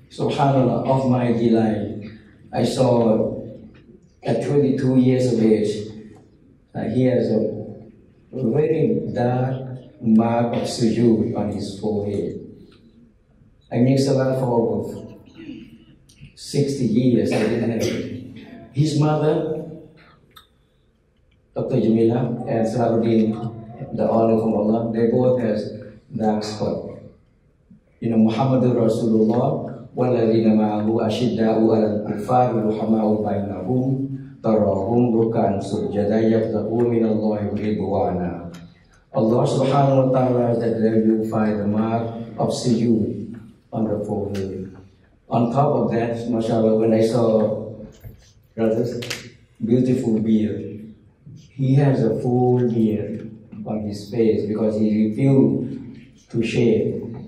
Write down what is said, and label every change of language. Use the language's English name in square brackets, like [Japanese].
[English] SubhanAllah, of my delight, I saw at 22 years of age, he has a very dark mark of sujood on his forehead. I mean, salat for over 60 years, I didn't have it. His mother, Dr. Jamila, and Salahuddin, the honor from Allah, they both have dark spot. You know, [Arabic] Muhammadur Rasulullah, وَالَّذِينَ مَعَهُ أَشِدَّاءُ عَلَى الْكُفَّارِ رُحَمَاءُ بَيْنَهُمْ تَرَاهُمْ رُكَّعًا سُجَّدًا يَبْتَغُونَ مِنَ اللَّهِ رِضْوَانًا. [English] Allah subhanahu wa ta'ala, that there you find the mark of sujood on the forehead. On top of that, mashallah, when I saw brother's beautiful beard, he has a full beard on his face because he refused to shave.